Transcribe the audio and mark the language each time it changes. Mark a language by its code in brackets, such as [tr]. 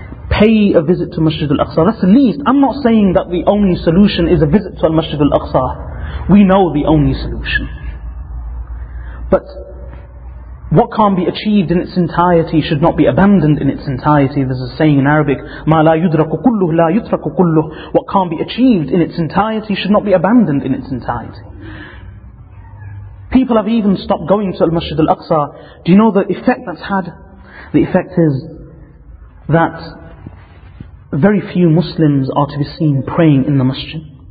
[en] Pay a visit to Masjid al-Aqsa. That's the least. I'm not saying that the only solution is a visit to Masjid al-Aqsa. We know the only solution. But what can't be achieved in its entirety should not be abandoned in its entirety. There's a saying in Arabic, [ar] مَا لَا يُدْرَكُ كُلُّهُ لَا يُتْرَكُ كُلُّهُ. [en] What can't be achieved in its entirety should not be abandoned in its entirety. People have even stopped going to Al-Masjid Al-Aqsa. Do you know the effect that's had? The effect is that very few Muslims are to be seen praying in the Masjid.